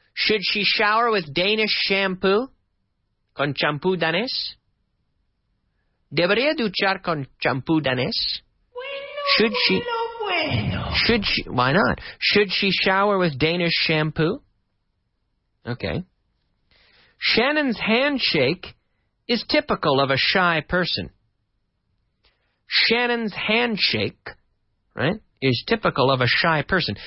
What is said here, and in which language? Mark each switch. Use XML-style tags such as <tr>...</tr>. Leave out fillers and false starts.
<en>Should she shower with Danish shampoo?</en> <es>Con champú danés? Debería duchar con champú danés? Bueno,</es> <en>should she?</en> <es>Bueno.</es> <en>Should she? Why not? Should she shower with Danish shampoo? Okay. Shannon's handshake is typical of a shy person. Shannon's handshake, right, is typical of a shy person.</en>